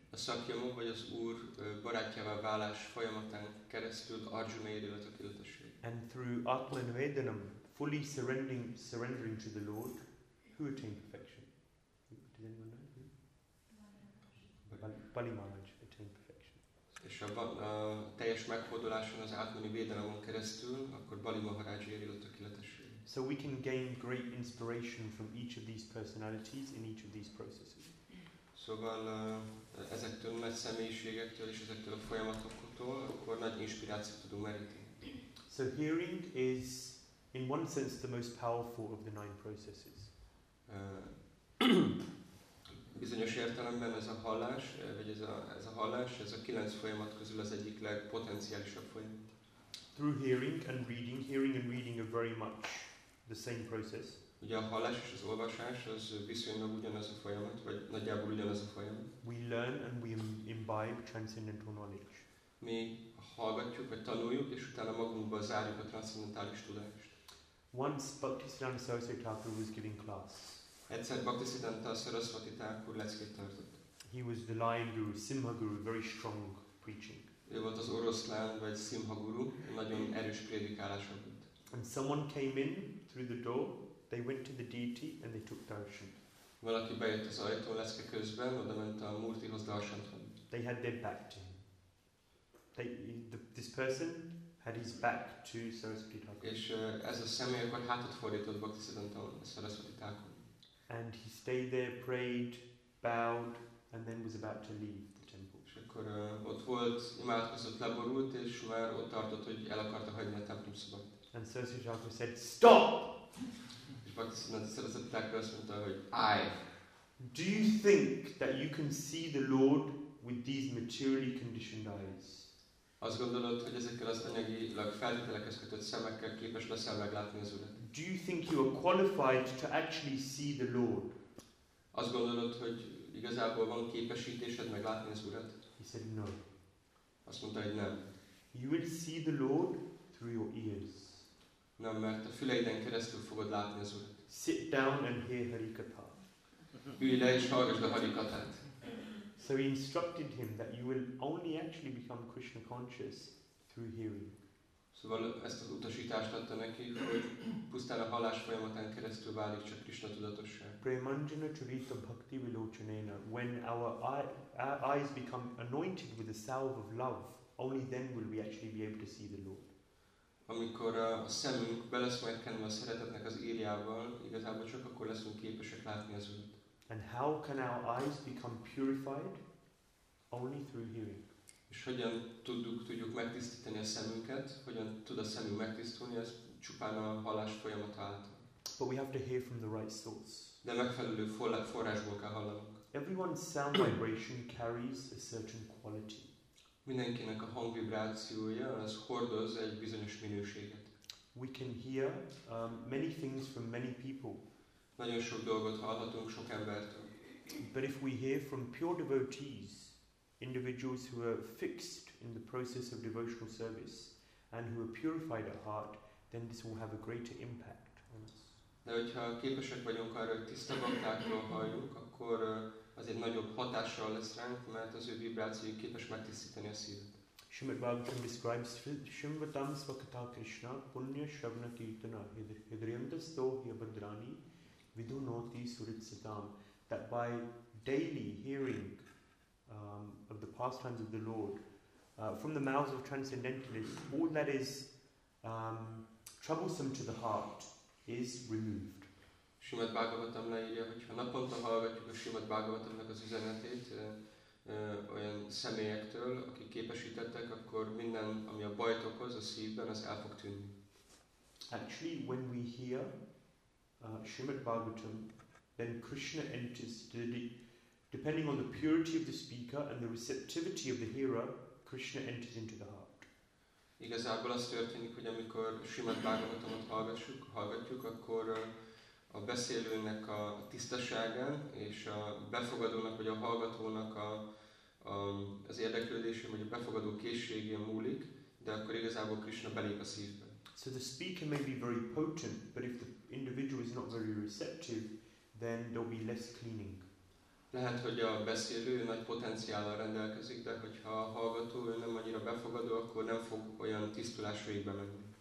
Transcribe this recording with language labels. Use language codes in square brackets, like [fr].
[hu] A szakjamon, vagy az Úr barátjává válás folyamatán keresztül Arjuna éri el a tökéletességet. [en] And through Atmanivedanam, fully surrendering to the Lord, who attained perfection? Did anyone know? Bali Maharaj attained perfection. [hu] És a teljes meghódoláson az Atmanivedanamon keresztül, akkor Bali Maharaj éri el a tökéletességet. [en] So we can gain great inspiration from each of these personalities in each of these processes. [hu] Szóval ezektől nagy személyiségektől és ezektől a folyamatoktól akkor nagy inspirációt tudunk meríteni. [en] So hearing is in one sense the most powerful of the 9 processes. [hu] Bizonyos értelemben ez a hallás, vagy ez a hallás, ez a kilenc folyamat közül az egyik legpotenciálisabb folyamat. [en] Through hearing and reading are very much the same process. [hu] Ugye a hallás és az olvasás az viszonylag ugyanaz a folyamat, vagy nagyjából ugyanaz a folyamat. [en] We learn and we imbibe transcendental knowledge. [hu] Mi hallgatjuk, vagy tanuljuk, és utána magunkba zárjuk a transzcendentális tudást. [en] Once Bhaktisiddhanta Saraswati Thakur was giving class. [hu] Egyszer Bhaktisiddhanta Saraswati Thakur leckét tartott. [en] He was the Lion Guru, Simha Guru, very strong preaching. [hu] Ő volt az oroszlán vagy Simha Guru, nagyon erős prédikálása volt. [en] And someone came in through the door. They went to the deity and they took darshan. [hu] Valaki bejött az ajtón leckék közben, oda ment a Murtihoz darshant. [en] They had their back to him. This person had his back to Saraswati Thakur. [hu] És ez a személy akkor hátat fordított Bhaktisiddhanta Saraswati Thakur. [en] And he stayed there, prayed, bowed, and then was about to leave the temple. [hu] És akkor ott volt, imádkozott, leborult, és már ott tartott, hogy el akarta hagyni a templom szobát. [en] And Saraswati Thakur said, stop! [hu] És Bhaktisiddhanta Saraswati Thakur azt mondta, hogy állj! [en] Do you think that you can see the Lord with these materially conditioned eyes? [hu] Azt gondolod, hogy ezekkel az anyagilag feltételekhez kötött szemekkel képes leszel meglátni az Urat? [en] Do you think you are qualified to actually see the Lord? [hu] Azt gondolod, hogy igazából van képesítésed meglátni az Urat? [en] He said no. [hu] Azt mondta, hogy nem. [en] You will see the Lord through your ears. [hu] Nem, mert a füleiden keresztül fogod látni az Urat. [en] Sit down and hear Harikatha. [hu] Ülj le és hallgasd a Harikatát. [en] So he instructed him that you will only actually become Krishna conscious through hearing. [hu] Szóval ezt az utasítást adta neki, hogy pusztán a hallás folyamatán keresztül válik csak Krishna tudatossá. [sa] Premanjana charita bhakti vilochanena. [en] When our eyes become anointed with the salve of love, only then will we actually be able to see the Lord. [hu] Amikor a szemünk beleszmerkedve a szeretetnek az írjával, igazából csak akkor leszünk képesek látni az Urat. [en] And how can our eyes become purified? Only through hearing. [hu] És hogyan tudjuk megtisztítani a szemünket? Hogyan tud a szemünk megtisztulni? Ez csupán a hallás folyamat által. [en] But we have to hear from the right source. [hu] De megfelelő forrásból kell hallanunk. [en] Everyone's sound vibration carries a certain quality. [hu] Mindenkinek a hangvibrációja, az hordoz egy bizonyos minőséget. [en] We can hear many things from many people. [hu] Nagyon sok dolgot hallhatunk sok embertől. [en] But if we hear from pure devotees, individuals who are fixed in the process of devotional service and who are purified at heart, then this will have a greater impact on us. [hu] De hogyha képesek vagyunk arra, hogy tiszta baktákról halljuk, akkor azért nagyobb hatással lesz ránk, mert az ő vibrációjuk képes megtisztítani a szívet. [en] Srimad Bhagavatam describes [sa] Shrimadam Svakata Krishna Punya Shravana Kirtana Hidriyantasto Hyabhadrani Vidunoti Suritsitam, [en] that by daily hearing of the pastimes of the Lord from the mouths of transcendentalists, all that is troublesome to the heart is removed. [hu] Srimad Bhagavatam leírja, hogyha naponta hallgatjuk a Srimad Bhagavatamnak az üzenetét olyan személyektől, akik képesítettek, akkor minden, ami a bajt okoz a szívben, az el fog tűnni. [en] Actually, when we hear Srimad Bhagavatam, then Krishna enters, depending on the purity of the speaker and the receptivity of the hearer, Krishna enters into the heart. [hu] Igazából az történik, hogy amikor Srimad Bhagavatamot hallgatjuk, akkor a beszélőnek a tisztasága és a befogadónak vagy a hallgatónak az érdeklődése vagy a befogadó készsége múlik, de akkor igazából Krishna belép a szívbe. [en] So the speaker may be very potent, but if the individual is not very receptive, then there'll be less cleaning. [hu] Lehet, hogy a beszélő nagy potenciállal rendelkezik, de hogyha a hallgató nem annyira befogadó, akkor nem fog olyan tisztulás végbe menni.